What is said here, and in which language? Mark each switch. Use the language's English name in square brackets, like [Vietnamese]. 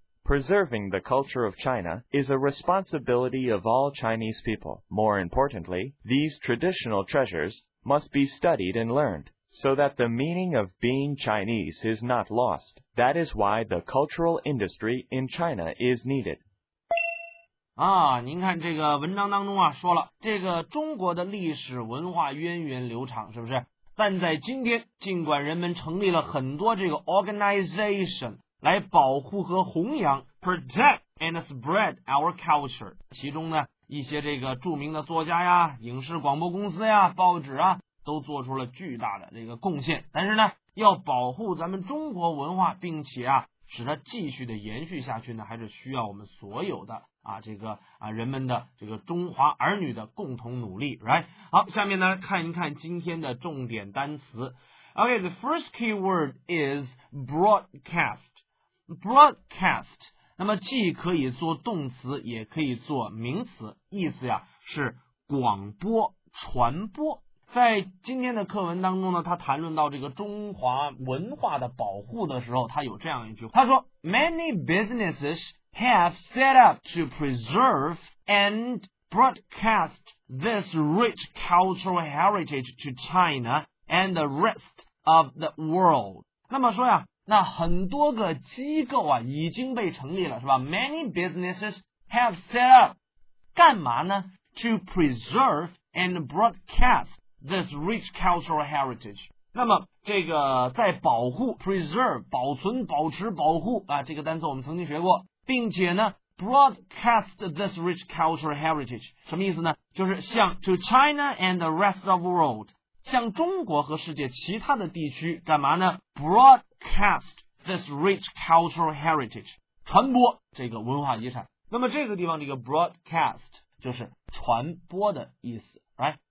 [English] Preserving the culture of China is a responsibility of all Chinese people. More importantly, these traditional treasures must be studied and learned. So that the meaning of being Chinese is not lost. That is why the cultural industry in China is needed. [Chinese] 啊，您看这个文章当中啊，说了这个中国的历史文化源远流长，是不是？但在今天，尽管人们成立了很多这个 organization 来保护和弘扬 [English] protect and spread our culture， [Chinese] 其中呢，一些这个著名的作家呀、影视广播公司呀、报纸啊。都做出了巨大的这个贡献，但是呢，要保护咱们中国文化，并且啊，使它继续的延续下去呢，还是需要我们所有的啊，这个啊人们的这个中华儿女的共同努力 ， [English] right？ [Chinese] 好，下面呢，看一看今天的重点单词。 [English] Okay，the first keyword is broadcast. [Chinese] Broadcast， 那么既可以做动词，也可以做名词，意思呀是广播、传播。在今天的课文当中呢，他谈论到这个中华文化的保护的时候，他有这样一句，他说 [English] Many businesses have set up to preserve and broadcast this rich cultural heritage to China and the rest of the world. [Chinese] 那么说呀，那很多个机构啊已经被成立了，是吧？ [English] Many businesses have set up [Chinese] 干嘛呢？ [English] To preserve and broadcastThis rich cultural heritage. [Chinese] 那么这个在保护 preserve 保存保持保护啊，这个单词我们曾经学过，并且呢 [English] broadcast this rich cultural heritage [Chinese] 什么意思呢？就是向 [English] to China and the rest of the world [Chinese] 向中国和世界其他的地区干嘛呢？ [English] broadcast this rich cultural heritage [Chinese] 传播这个文化遗产。那么这个地方这个 broadcast 就是传播的意思 [English] right?